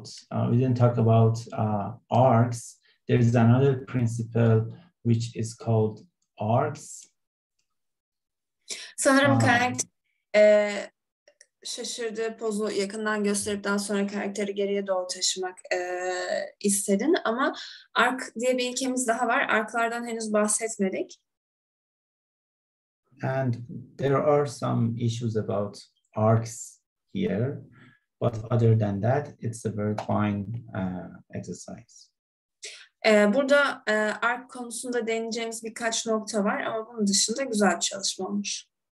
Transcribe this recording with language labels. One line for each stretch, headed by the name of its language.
English: We didn't talk about arcs. There is another principle which is called arcs.
Turkish: Sanırım karakter şaşırdı, pozu yakından gösterip daha sonra karakteri geriye doğru taşımak istedin, ama arc diye bir ilkemiz daha var. Arklardan henüz bahsetmedik.
English: And there are some issues about arcs here, but other than that, it's a very fine exercise.
Turkish: Burada arc konusunda deneyeceğimiz birkaç nokta var, ama bunun dışında güzel çalışma olmuş.